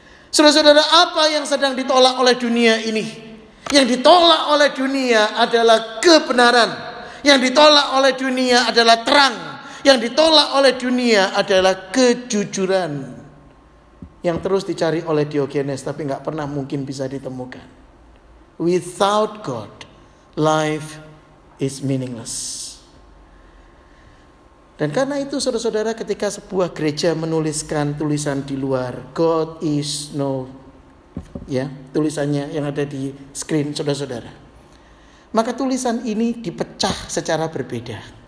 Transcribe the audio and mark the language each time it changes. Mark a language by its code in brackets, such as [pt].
[id] Saudara-saudara, apa yang sedang ditolak oleh dunia ini? Yang ditolak oleh dunia adalah kebenaran. Yang ditolak oleh dunia adalah terang. Yang ditolak oleh dunia adalah kejujuran. Yang terus dicari oleh Diogenes, tapi gak pernah mungkin bisa ditemukan. [en] Without God, life is meaningless. [id] Dan karena itu, saudara-saudara, ketika sebuah gereja menuliskan tulisan di luar, [en] God is no, [id] ya, tulisannya yang ada di screen, saudara-saudara, maka tulisan ini dipecah secara berbeda.